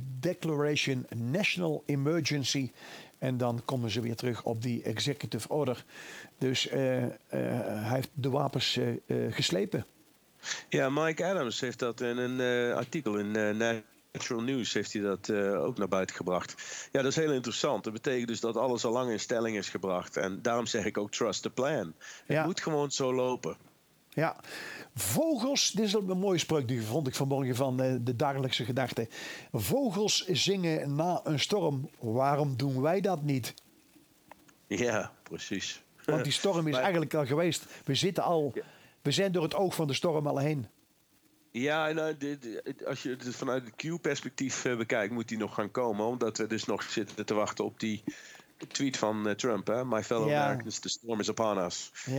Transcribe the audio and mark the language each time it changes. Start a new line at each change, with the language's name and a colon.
English: Declaration National Emergency.
Dutch: En dan komen ze weer terug op die executive order. Dus hij heeft de wapens geslepen. Ja, Mike Adams heeft dat in een artikel in Natural News heeft hij dat ook naar buiten gebracht. Ja, dat is heel interessant. Dat betekent dus dat alles al lang in stelling is gebracht. En daarom zeg ik ook
English: trust the plan.
Dutch: Het moet gewoon zo lopen. Ja, vogels, dit is een mooie spreuk, die vond ik vanmorgen van de dagelijkse gedachte. Vogels zingen na een storm, waarom doen wij dat niet? Ja, precies. Want die storm is eigenlijk al geweest. We zitten al, we zijn door het oog van de storm al heen. Ja, nou, als je het vanuit het Q-perspectief bekijkt, moet die nog gaan komen. Omdat we dus nog zitten te wachten op die tweet van Trump, hè?
English: My fellow Americans, the storm is upon us.